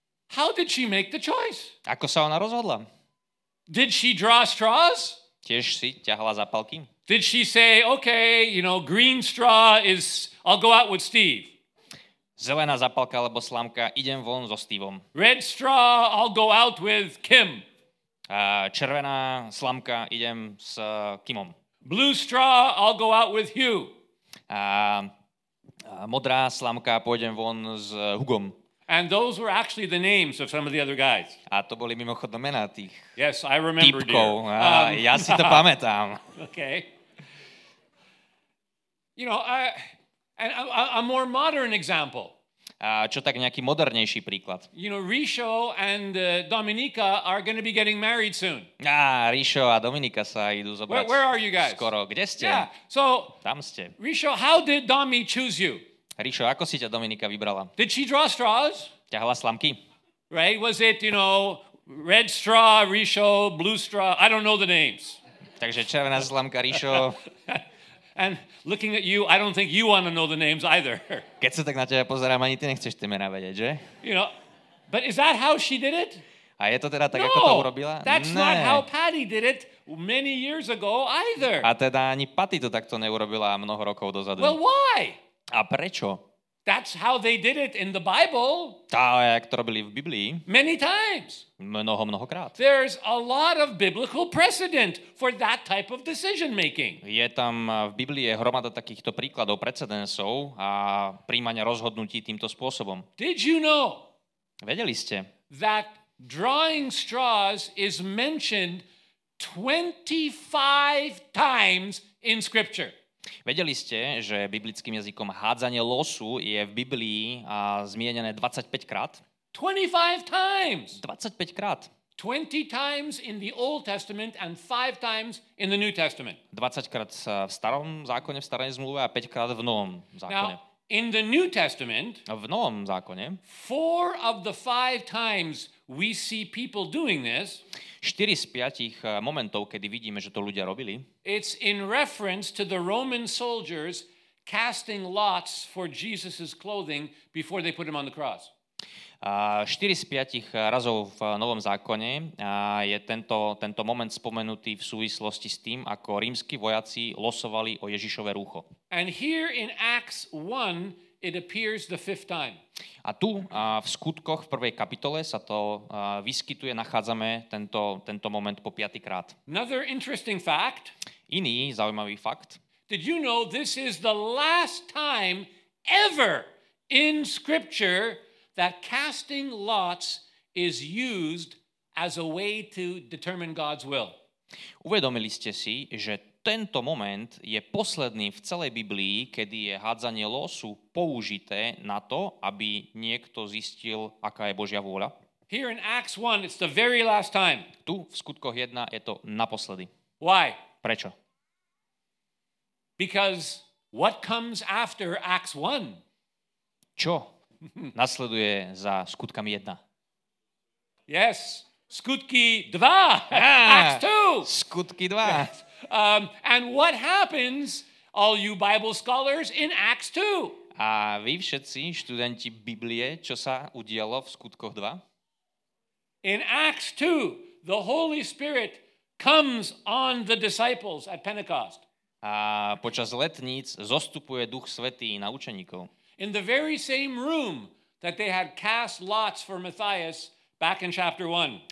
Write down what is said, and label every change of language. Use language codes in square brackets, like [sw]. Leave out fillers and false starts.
[en] How did she make the choice? [sk] Ako sa ona rozhodla? [en] Did she draw straws? [sk] Tiež si ťahala zápalky? [en] Did she say, okay, you know, green straw is, I'll go out with Steve. [sk] Zelená zápalka alebo slamka, idem von so Steveom. [en] Red straw, I'll go out with Kim. [sk] Červená slamka, idem s Kimom. [en] Blue straw, I'll go out with Hugh. [sk] Modrá slamka, pôjdem von s Hugom. [en] And those were actually the names of some of the other guys. [sk] A to boli mimochodom mená tých. [en] Yes, I remember, dear. [sk] Ja si to pamätám. [en] Okay. You know, a more modern example. [sk] A čo tak nejaký modernejší príklad? [en] You know, Rišo and Dominika are going to be getting married soon. [sk] Rišo a Dominika sa idú zobrať. [en] Where are you guys? [sk] Skoro. Kde ste? [en] Yeah. So, [sk] tam ste. [en] Rišo, how did Domi choose you? [sk] Rišo, ako si ťa Dominika vybrala? [en] Did she draw straws? [sk] Ťahala slamky. [en] Right? Was it, you know, red straw, Rišo, blue straw? I don't know the names. [sk] Takže červená slamka, Rišo. [en] And looking at you, I don't think you want to know the names either. [sk] Keď sa tak na teba pozerám, ani ty nechceš tie mená vedieť, že? [en] You know, but is that how she did it? [sk] A je to teda tak, no, ako to urobila? [en] That's [sk] ne. [en] Not how Patty did it many years ago either. [sk] A teda ani Patty to takto neurobila mnoho rokov dozadu. [en] Well, why? [sk] A prečo? [en] That's how they did it in the Bible. [sk] Tá, jak to robili v Biblii. [en] Many times. [sk] Mnoho, mnohokrát. [en] There's a lot of biblical precedent for that type of decision making. [sk] Je tam v Biblii hromada takýchto príkladov, precedensov a príjmania rozhodnutí týmto spôsobom. [en] Did you know? [sk] Vedeli ste? [en] That drawing straws is mentioned 25 times in scripture. [sk] Vedeli ste, že biblickým jazykom hádzanie losu je v Biblii zmienené 25 krát? [en] 25 times. [sk] 25 krát. [en] 20 times in the Old Testament and 5 times in the New Testament. [sk] 20 krát v starom zákone, v starej zmluve a 5 krát v novom zákone. [en] Now, in the New Testament, [sk] v novom zákone, [en] 4 of the 5 times we see people doing this. [sk] 4 z 5 momentov, kedy vidíme, že to ľudia robili. [en] It's in reference to the Roman soldiers casting lots for Jesus's clothing before they put him on the cross. [sk] 4 z 5 razov v Novom zákone je tento moment spomenutý v súvislosti s tým, ako rímski vojaci losovali o Ježišove rúcho. [en] And here in Acts 1 it appears the fifth time. [sk] A tu v skutkoch v prvej kapitole sa to vyskytuje, nachádzame tento moment po piatýkrát. [en] Another interesting fact. [sk] Iný zaujímavý fakt. [en] Did you know this is the last time ever in scripture that casting lots is used as a way to determine God's will. [sk] Uvedomili ste si, že tento moment je posledný v celej Biblii, kedy je hádzanie losu použité na to, aby niekto zistil, aká je Božia vôľa. [en] Here in Acts 1, it's the very last time. [sk] Tu v Skutkoch 1 je to naposledy. [en] Why? [sk] Prečo? [en] Because what comes after Acts 1? [sk] Čo nasleduje za Skutkami 1? [en] Yes, Skutky 2, Acts 2. [sk] Skutky 2. [en] And what happens, all you Bible scholars, in Acts 2? [sk] A vy všetci, študenti Biblie, čo sa udialo v Skutkoch 2? [en] In Acts 2, the Holy Spirit comes on the disciples at Pentecost. [sk] A počas letníc zostupuje Duch Svätý na učeníkov. [en] In the very same room that they had cast lots for Matthias back in chapter 1.